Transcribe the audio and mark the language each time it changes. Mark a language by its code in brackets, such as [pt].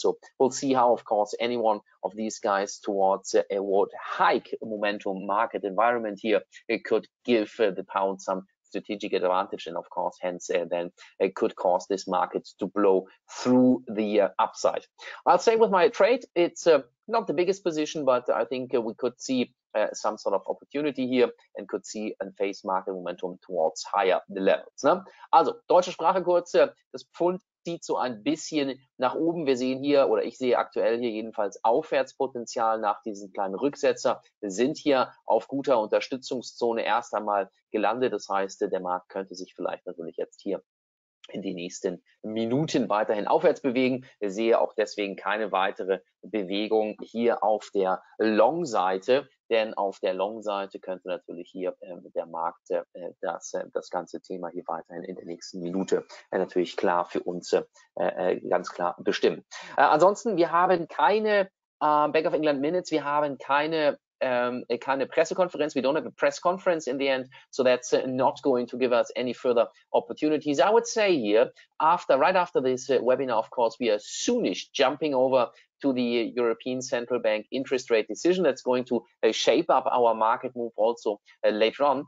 [en] So we'll see how, of course, any one of these guys towards a vote hike momentum market environment here, it could give the pound some strategic advantage, and of course, hence then it could cause this market to blow through the upside. I'll say with my trade, it's not the biggest position, but I think we could see some sort of opportunity here and could see and face market momentum towards higher levels. [de] Ne? Also, deutsche Sprache kurz, das Pfund zieht so ein bisschen nach oben. Wir sehen hier, oder ich sehe aktuell hier jedenfalls Aufwärtspotenzial nach diesem kleinen Rücksetzer. Wir sind hier auf guter Unterstützungszone erst einmal gelandet. Das heißt, der Markt könnte sich vielleicht natürlich jetzt hier in den nächsten Minuten weiterhin aufwärts bewegen. Ich sehe auch deswegen keine weitere Bewegung hier auf der Long-Seite. Denn auf der Long-Seite könnte natürlich hier der Markt das ganze Thema hier weiterhin in der nächsten Minute natürlich klar für uns ganz klar bestimmen. Ansonsten, wir haben keine Bank of England Minutes, wir haben keine Pressekonferenz. [en] We don't have a press conference in the end, so that's not going to give us any further opportunities. I would say here, right after this webinar, of course, we are soonish jumping over to the European Central Bank interest rate decision. That's going to shape up our market move also later on.